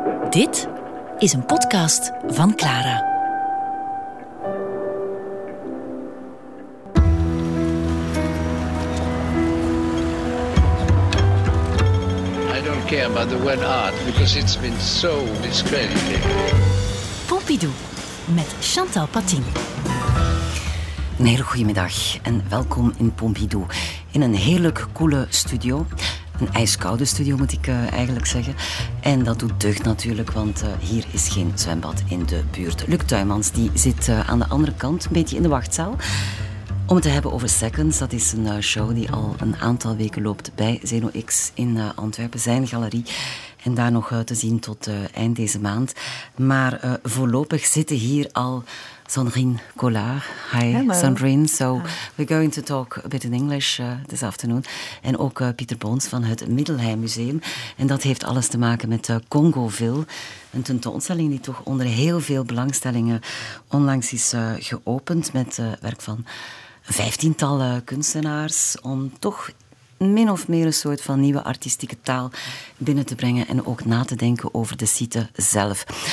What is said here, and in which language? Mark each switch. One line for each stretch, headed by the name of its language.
Dutch: Dit is een podcast van Clara.
English: I don't care about the word art because it's been so discredited.
Dutch: Pompidou met Chantal Patin. Een hele goede middag en welkom in Pompidou. In een heerlijk koele studio. Een ijskoude studio, moet ik eigenlijk zeggen. En dat doet deugd natuurlijk, want hier is geen zwembad in de buurt. Luc Tuymans die zit aan de andere kant, een beetje in de wachtzaal. Om het te hebben over Seconds, dat is een show die al een aantal weken loopt bij Zeno X in Antwerpen, zijn galerie. En daar nog te zien tot eind deze maand. Maar voorlopig zitten hier al Sandrine Collard.
English: Hi, hello. Sandrine. So we're going to talk a bit in English this afternoon.
Dutch: En ook Pieter Boons van het Middelheim Museum. En dat heeft alles te maken met Congoville. Een tentoonstelling die toch onder heel veel belangstellingen onlangs is geopend. Met werk van 15-tal kunstenaars om toch min of meer een soort van nieuwe artistieke taal binnen te brengen en ook na te denken over de site zelf.